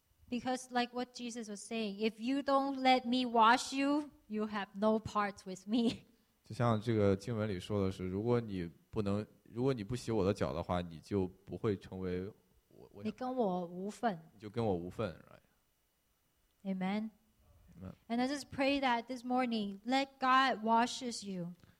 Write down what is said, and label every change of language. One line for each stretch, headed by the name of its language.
English: Because like what Jesus was saying, if you don't let me wash you, you have no part with me.
Chinese: 就像这个经文里说的是，如果你不能，如果你不洗我的脚的话，你就不会成为我。你跟我无份。你就跟我无份，
English: right? Amen. Amen. And I just pray that this morning, let God washes you.